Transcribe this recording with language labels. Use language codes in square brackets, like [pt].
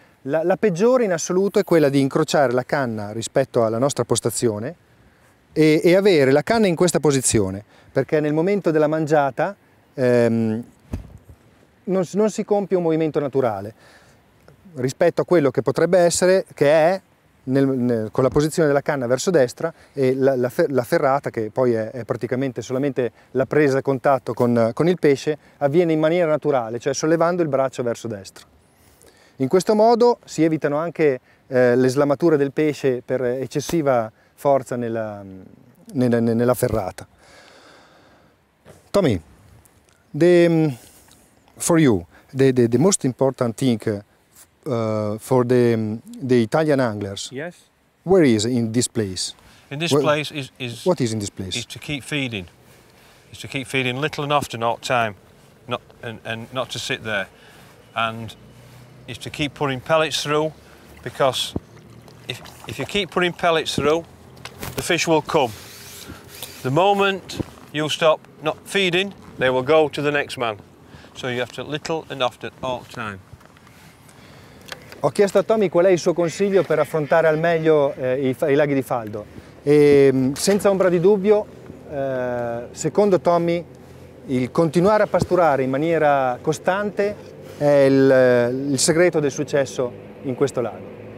[it] La peggiore in assoluto è quella di incrociare la canna rispetto alla nostra postazione e avere la canna in questa posizione, perché nel momento della mangiata non si compie un movimento naturale rispetto a quello che potrebbe essere, che è con la posizione della canna verso destra e la ferrata, che poi è praticamente solamente la presa a contatto con il pesce, avviene in maniera naturale, cioè sollevando il braccio verso destra. In questo modo si evitano anche le slamature del pesce per eccessiva forza nella ferrata. [en] Tommy, for you, the most important thing for the Italian anglers. Yes. Where is in this place? In this place is what is in this place? Is to keep feeding. Is to keep feeding little and often all the time. Not not to sit there. And is to keep putting pellets through, because if you keep putting pellets through, the fish will come. The moment you stop not feeding, they will go to the next man. So you have to little and often all the time. [it] Ho chiesto a Tommy qual è il suo consiglio per affrontare al meglio i laghi di Faldo e senza ombra di dubbio, secondo Tommy, il continuare a pasturare in maniera costante è il segreto del successo in questo lago.